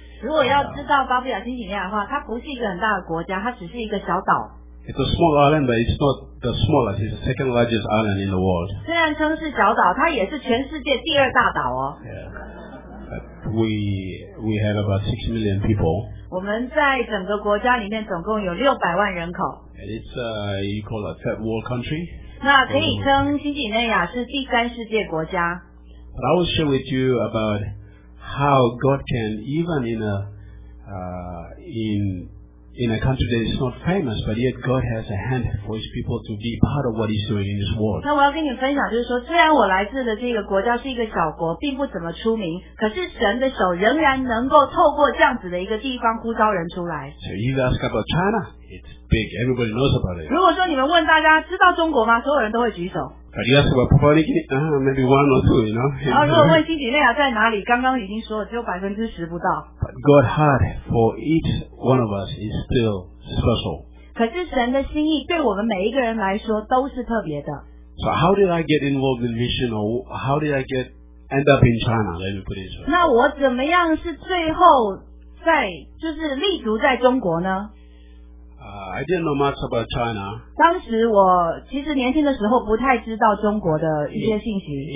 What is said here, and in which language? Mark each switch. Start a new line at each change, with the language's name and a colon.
Chinese: 如果要知道巴布亚新几内亚的话，它不是一个很大的国家，它只是一个小岛。
English: It's a small island, but it's not the smallest. It's the second largest island in the world.
Chinese: 虽然称是小岛，它也是全世界第二大岛哦。
English: Yeah. We have about 6 million people.
Chinese: 我们在整个国家里面总共有600万人口。
English: And it's a you call a third world country.
Chinese: 那可以称新几内亚是第三世界国家。
English: But I will share with you about. How God can even in a country that is not famous, but yet God has a hand for His people to be part of what He's doing in this world.
Chinese: 那我要跟你分享，就是说，虽然我来自的这个国家是一个小国，并不怎么出名，可是神的手仍然能够透过这样子的一个地方呼召人出来。
English: So you ask about China, it's big. Everybody knows about it.
Chinese: 如果说你们问大家知道中国吗？所有人都会举手。
English: But you ask about Papua New Guinea, maybe one or two, you know.
Chinese: 如果问新几内亚在哪里，刚刚已经说了，只有10%不到。
English: But God's heart for each one of us is still special.
Chinese: 可是神的心意对我们每一个人来说都是特别的。
English: So how did I get involved in mission, or how did I get end up in China? Let me put it this way.
Chinese: 那我怎么样是最后在就是立足在中国呢？
English: I didn't know much about China.
Chinese: 当时我其实年轻的时候不太知道中国的一些信息。